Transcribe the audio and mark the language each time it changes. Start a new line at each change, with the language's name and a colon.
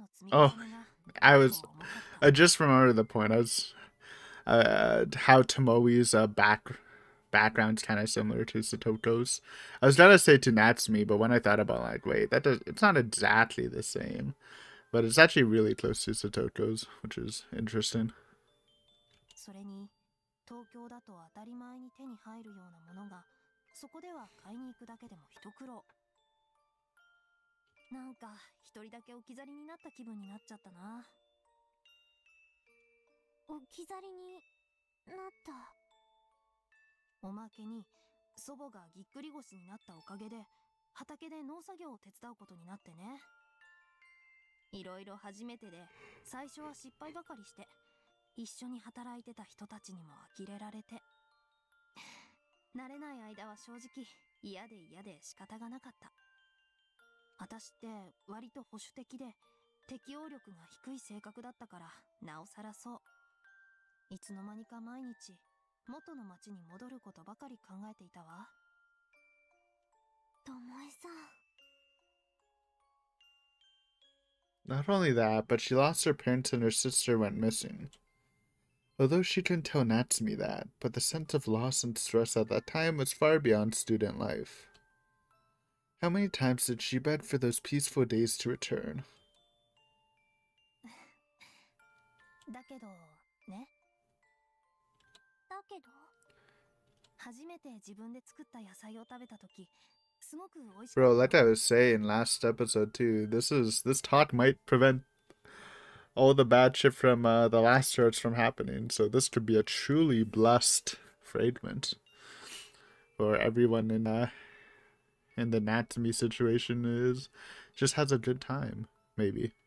English: Oh, I just remembered the point. I was how Tomoe's background's kind of similar to Satoko's. I was gonna say to Natsumi, but when I thought about like, wait, that does it's not exactly the same, but it's actually really close to Satoko's, which is interesting.
Japanese: それに東京だと当たり前に手に入るようなものがそこでは買いに行くだけでも一苦労なんか一人だけ置き去りになった気分になっちゃったな置き去りになったおまけに祖母がぎっくり腰になったおかげで畑で農作業を手伝うことになってねいろいろ初めてで最初は失敗ばかりして一緒に働いてた人たちにも呆れられて慣れない間は正直嫌で嫌で仕方がなかった私って割と保守的で適応力が低い性格だったからなおさらそういつの間にか毎日元の町に戻ることばかり考えていたわ巴さん
English: Not only that, but she lost her parents and her sister went missing. Although she couldn't tell Natsumi that, but the sense of loss and stress at that time was far beyond student life. How many times did she beg for those peaceful days to return?
Japanese: だけどね。だけど、初めて自分で作った野菜を食べたとき、すごく美味しか
English: Bro,
Japanese: った
English: like
Japanese: の。
English: I was saying last episode too, this talk might prevent all the bad shit from the last church from happening. So this could be a truly blessed fragment for everyone in the Natsumi situation is just has a good time, maybe.